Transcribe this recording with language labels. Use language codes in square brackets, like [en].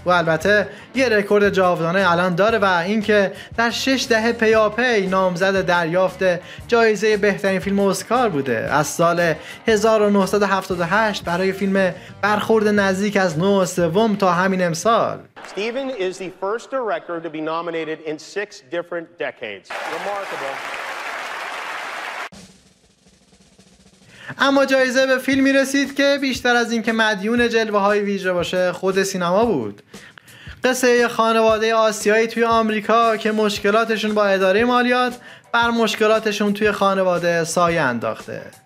[fa] و البته یه رکورد جاودانه الان داره و این که در 6 دهه پیاپی نامزد دریافت جایزه بهترین فیلم اسکار بوده. از سال 1978 برای فیلم برخورد نزدیک از نو سوم تا همین امسال. [en] Steven is the first director to be nominated in 6 different decades. Remarkable. [fa] اما جایزه به فیلمی رسید که بیشتر از اینکه مدیون جلوه‌های ویژه باشه، خود سینما بود. قصه خانواده آسیایی توی آمریکا که مشکلاتشون با اداره مالیات بر مشکلاتشون توی خانواده سایه انداخته.